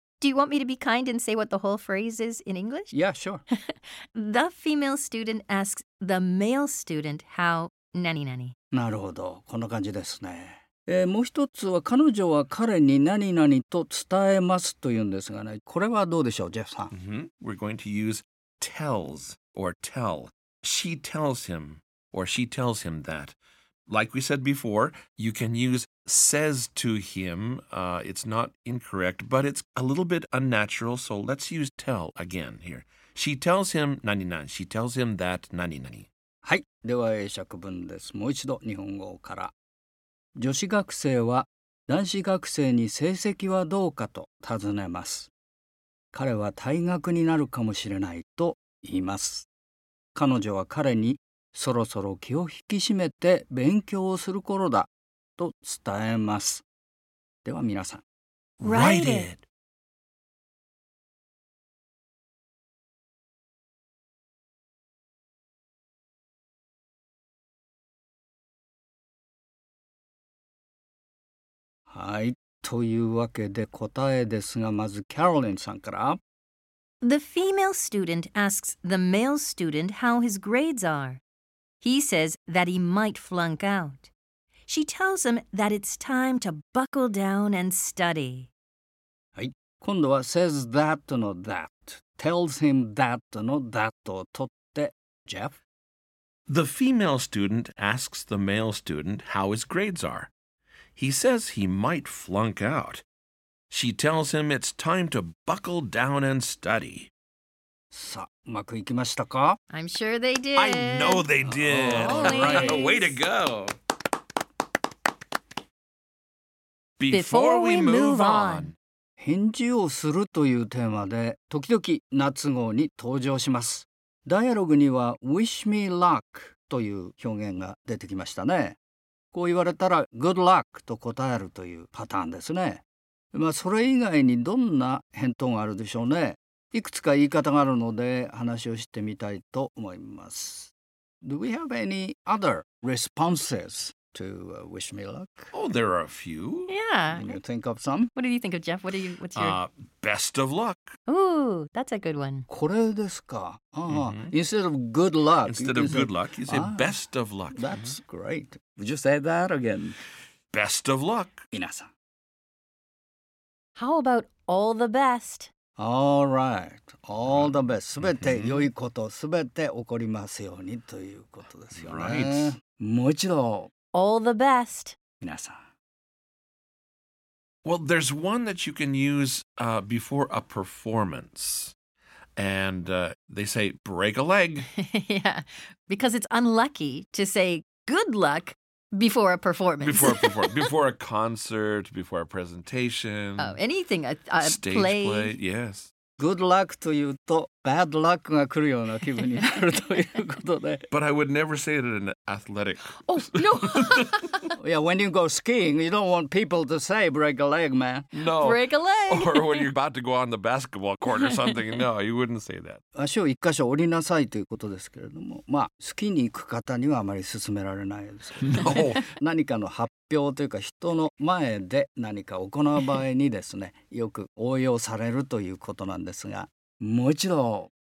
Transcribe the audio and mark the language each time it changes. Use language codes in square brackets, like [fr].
[en] Do you want me to be kind and say what the whole phrase is in English? Yeah, sure. The female student asks the male student how... [ja] ...何々。なるほど。こんな感じですね。もう一つは、彼女は彼に何々と伝えますというんですがね。これはどうでしょう、ジェフさん。 [en] We're going to use tells or tell. She tells him or she tells him that. Like we said before, you can use says to him. It's not incorrect, but it's a little bit unnatural. So let's use tell again here. She tells him 99. She tells him that 99. [ja] はい、では英釈文です。もう一度日本語から。女子学生は男子学生に成績はどうかと尋ねます。彼は退学になるかもしれないと言います。彼女は彼にそろそろ気を引き締めて勉強をする頃だと伝えます。では皆さん。 Write it! はい、というわけで答えですが、まずキャロリンさんから。 [en] The female student asks the male student how his grades are. He says that he might flunk out. She tells him that it's time to buckle down and study. [ja] はい、今度は [en] says that [ja] の that, [en] tells him that [ja] の that を取って、Jeff? [en] The female student asks the male student how his grades are. He says he might flunk out. She tells him it's time to buckle down and study. [ja] さ、うまくいきましたか? [en] I'm sure they did. I know they did. Always. Way to go. Before we move on. [ja] 返事をするというテーマで、時々夏号に登場します。ダイアログには [en] wish me luck [ja] という表現が出てきましたね。こう言われたら [en] good luck [ja] と答えるというパターンですね。まあそれ以外にどんな返答があるでしょうね。いくつか言い方があるので話をしてみたいと思います。 [en] Do we have any other responses to wish me luck? Oh, there are a few. Yeah. Can you think of some? What do you think of, Jeff? What are you, what's your... Best of luck. Ooh, that's a good one. [ja] これですか。 [en] Mm-hmm. Instead of good luck. Instead of good luck, you say best of luck. That's great. Would you say that again? Best of luck, [ja] 皆さん。 [en] How about all the best? All right. All the best. [ja] すべて良いこと、すべて起こりますようにということですよね。 [en] Right. [ja] もう一度。 [en] All the best, [ja] 皆さん。 [en] Well, there's one that you can use before a performance. And they say, break a leg. Yeah, because it's unlucky to say good luck. Before a performance. Before a concert, before a presentation. Oh, anything. A stage play. Yes. Good luck [ja] というと [en] bad luck [ja] が来るような気分になるということで。 [en] But I would never say it in an athletic. Oh, no. Yeah, when you go skiing, you don't want people to say break a leg, man. No. Break a leg. Or when you're about to go on the basketball court or something. No, you wouldn't say that. [ja] 足を一箇所折りなさいということですけれども、まあ、スキーに行く方にはあまり勧められないですけど。 [en] No. [ja] 何かの発表というか人の前で何か行う場合にですね、よく応用されるということなんですが、もう一度。